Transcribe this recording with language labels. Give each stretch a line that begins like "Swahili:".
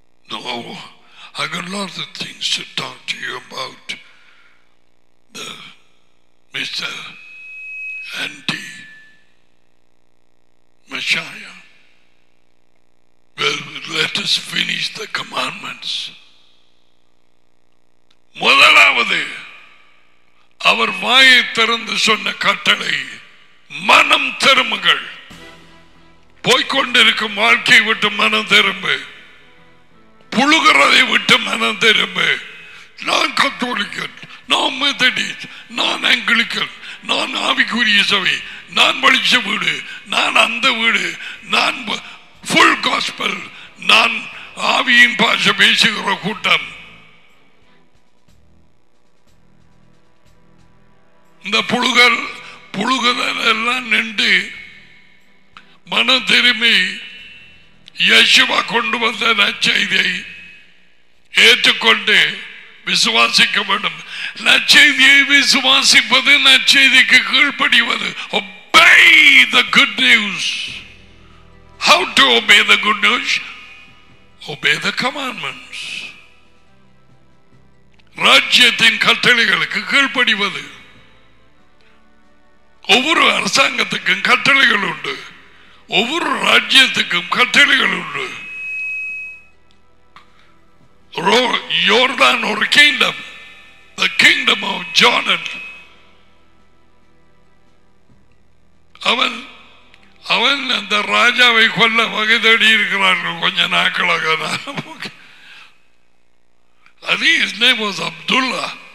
English: I got lots of things to talk to you about the Mr. Andy Messiah. Well, let us finish the commandments.
Tamil: முதலாவது அவர் வாயை திறந்து சொன்ன கட்டளை மனம் திரும்புங்கள். போய்கொண்டிருக்கும் வாழ்க்கையை விட்டு மனம் திரும்பு. புழுகிறதை விட்டு மனம் திரும்பு. நான் கத்தோலிக்கன், நான் மெதடிஸ்ட், நான் ஆங்கிலிக்கன், நான் ஆவிக்குரிய சபை, நான் வலிச்ச வீடு, நான் அந்த வீடு, நான் ஃபுல் காஸ்பல், நான் ஆவியின் பாஷை பேசுகிற கூட்டம். இந்த புழுகல் புழுகுதல் எல்லாம் நின்று மனம் திரும்பி யேசுவா கொண்டு வந்த நற்செய்தியை ஏற்றுக்கொண்டு விசுவாசிக்க வேண்டும். நற்செய்தியை விசுவாசிப்பது நற்செய்திக்கு கீழ்படிவது.
English: Obey the good news. How to obey the good news? Obey the commandments.
Tamil: ராஜ்யத்தின் கட்டளைகளுக்கு கீழ்படிவது. ஒவ்வொரு அரசாங்கத்துக்கும் கட்டளைகள் உண்டு. ஒவ்வொரு ராஜ்யத்துக்கும் கட்டளைகள் உண்டு. யோர்தான் ஒரு kingdom,
English: the kingdom of Jordan.
Tamil: அவன் அந்த ராஜாவை கொல்ல வகை தேடி இருக்கிறார்கள் கொஞ்ச நாட்களாக.
English: அது his name was Abdullah.